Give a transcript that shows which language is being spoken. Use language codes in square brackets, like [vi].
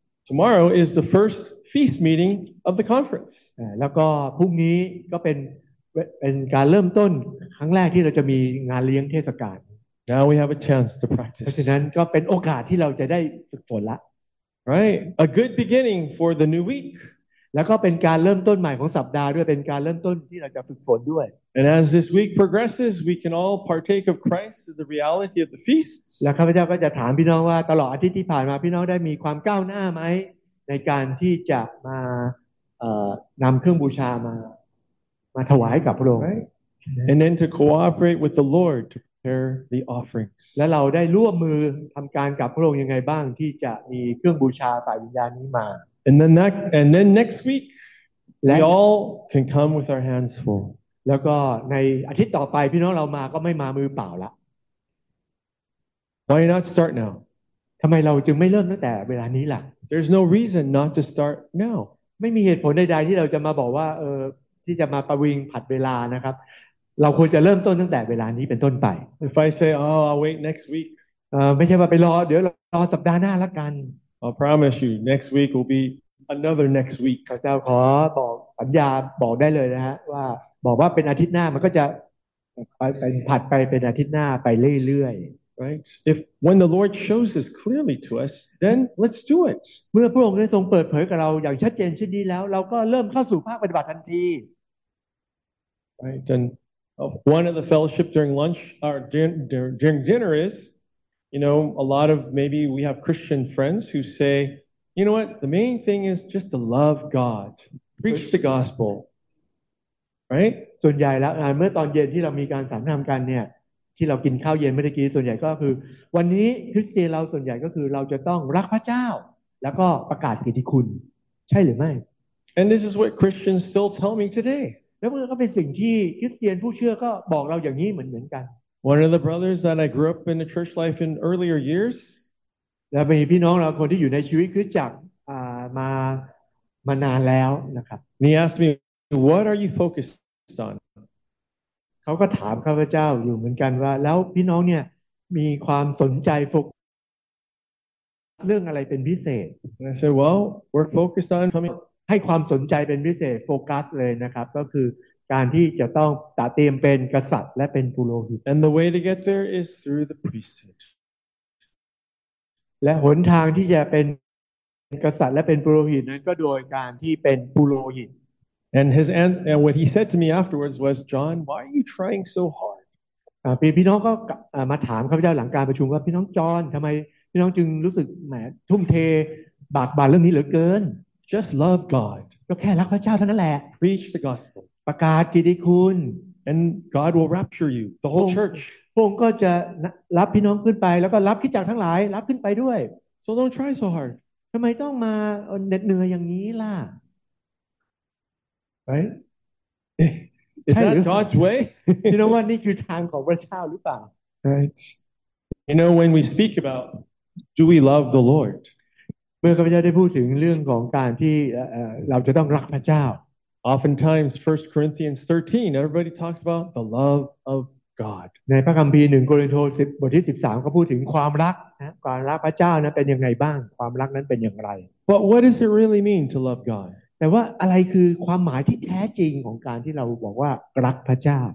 [en] Tomorrow is the first feast meeting of the conference. [th] แล้วก็พรุ่งนี้ก็เป็น เป็นการเริ่มต้นครั้งแรกที่เราจะมีงานเลี้ยงเทศกาล [en] Now we have a chance to practice. [th] เพราะฉะนั้นก็เป็นโอกาสที่เราจะได้ฝึกฝนละ [en] Right, a good beginning for the new week. [th] แล้วก็เป็นการเริ่มต้นใหม่ของสัปดาห์ด้วยเป็นการเริ่มต้นที่เราจะฝึกฝนด้วย [en] And as this week progresses, we can all partake of Christ to the reality of the feasts. [th] แล้วข้าพเจ้าก็จะถามพี่น้องว่าตลอดอาทิตย์ที่ผ่านมาพี่น้องได้มีความก้าวหน้าไหมในการที่จะมานำเครื่องบูชามาถวายกับพระองค์ [en] right? And then to cooperate with the Lord to prepare the offerings [th] และเราได้ร่วมมือทำการกับพระองค์ยังไงบ้างที่จะมีเครื่องบูชาฝ่ายวิญญาณนี้มา [en] And then next week we all can come with our hands full [th] แล้วก็ในอาทิตย์ต่อไปพี่น้องเรามาก็ไม่มามือเปล่าละ [en] Why not start now [th] ทำไมเราจึงไม่เริ่มตั้งแต่เวลานี้ล่ะ [en] There's no reason not to start now. [th] ไม่มีเหตุผลใดๆที่เราจะมาบอกว่าที่จะมาประวิงผัดเวลานะครับเราควรจะเริ่มต้นตั้งแต่เวลานี้เป็นต้นไป [en] If I say, oh, I'll wait next week. [th] ไม่ใช่ว่าไปรอเดี๋ยวรอสัปดาห์หน้าละกัน [en] I promise you, next week will be another next week. [th] ข้าเจ้าขอบอกสัญญาบอกได้เลยนะฮะว่าบอกว่าเป็นอาทิตย์หน้ามันก็จะไปเป็นผัดไปเป็นอาทิตย์หน้าไปเรื่อยๆ [en] Right. If when the Lord shows this clearly to us, then let's do it. [th] เมื่อพระองค์ได้ทรงเปิดเผยกับเราอย่างชัดเจนเช่นนี้แล้วเราก็เริ่มเข้าสู่ภาคปฏิบัติทันที [en] Right. And one of the fellowship during lunch or during dinner is, you know, a lot of maybe we have Christian friends who say, you know what? The main thing is just to love God, preach the gospel. Right. [th] ส่วนใหญ่แล้วเมื่อตอนเย็นที่เรามีการสังสรรค์กันเนี่ยที่เรากินข้าวเย็นเมื่อกี้ส่วนใหญ่ก็คือวันนี้คริสเตียนเราส่วนใหญ่ก็คือเราจะต้องรักพระเจ้าแล้วก็ประกาศเกียรติคุณใช่หรือไม่ [en] And this is what Christians still tell me today [th] แล้วมันก็เป็นสิ่งที่คริสเตียนผู้เชื่อก็บอกเราอย่างนี้เหมือนกัน [en] One of the brothers that I grew up in the church life in earlier years [th] แล้วมีพี่น้องเราคนที่อยู่ในชีวิตคริสตจักรมานานแล้วนะครับ [en] He asked me what are you focused on [th] เขาก็ถามข้าพเจ้าอยู่เหมือนกันว่าแล้วพี่น้องเนี่ยมีความสนใจโฟกัสเรื่องอะไรเป็นพิเศษ [en] I said well we're focused on coming [th] ให้ความสนใจเป็นพิเศษโฟกัสเลยนะครับก็คือการที่จะต้องตัดเตรียมเป็นกษัตริย์และเป็นปุโรหิต [en] And the way to get there is through the priesthood [th] และหนทางที่จะเป็นกษัตริย์และเป็นปุโรหิตนั้นก็โดยการที่เป็นปุโรหิต [en] And his aunt, and what he said to me afterwards was, John, why are you trying so hard? [th] พี่น้องก็มาถามข้าพเจ้าหลังการประชุมว่าพี่น้องจอห์นทำไมพี่น้องจึงรู้สึกแหมทุ่มเทบากบั่นเรื่องนี้เหลือเกิน [en] Just love God. [th] ก็แค่รักพระเจ้าเท่านั้นแหละ [en] Preach the gospel. [th] ประกาศกิตติคุณ [en] And God will rapture you, the whole church. [th] พระองค์ก็จะรับพี่น้องขึ้นไปแล้วก็รับคริสตจักรทั้งหลายรับขึ้นไปด้วย [en] So don't try so hard. [th] ทำไมต้องมาเหน็ดเหนื่อยอย่างนี้ล่ะ [en] Right? Is that God's way? You know what? [th] นี่คือทางของพระเจ้าหรือเปล่า [en] Right. You know when we speak about do we love the Lord? [th] เมื่อข้าพเจ้าได้พูดถึงเรื่องของการที่เราจะต้องรักพระเจ้า [en] Oftentimes, 1 Corinthians 13, everybody talks about the love of God. [th] ในพระคัมภีร์หนึ่งโครินธ์10บทที่13ก็พูดถึงความรักนะความรักพระเจ้านะเป็นยังไงบ้างความรักนั้นเป็นอย่างไร [en] But what does it really mean to love God? [th] แต่ว่าอะไรคือความหมายที่แท้จริงของการที่เราบอกว่ารักพระเจ้า